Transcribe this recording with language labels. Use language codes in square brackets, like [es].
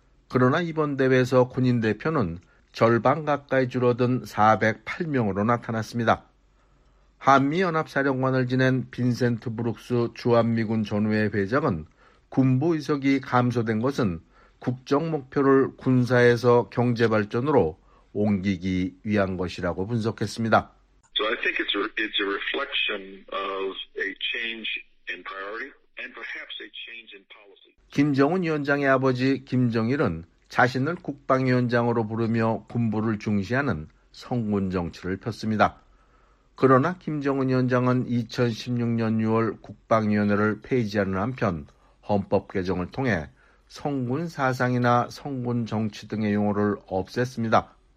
[ko] 그러나 이번 대회에서 군인 대표는 절반 가까이 줄어든 408명으로 나타났습니다. 한미연합사령관을 지낸 빈센트 브룩스 주한미군 전우회 회장은 군부 의석이 감소된 것은 국정 목표를 군사에서 경제 발전으로 옮기기 위한 것이라고 분석했습니다. [en] So I think it's a reflection of a change in priority and perhaps a change in policy. [ko] 김정은 위원장의 아버지 김정일은 자신을 국방위원장으로 부르며 군부를 중시하는 성군 정치를 폈습니다. 그러나 김정은 위원장은 2016년 6월 국방위원회를 폐지하는 한편 헌법 개정을 통해 성군 사상이나 성군 정치 등의 용어를 없앴습니다.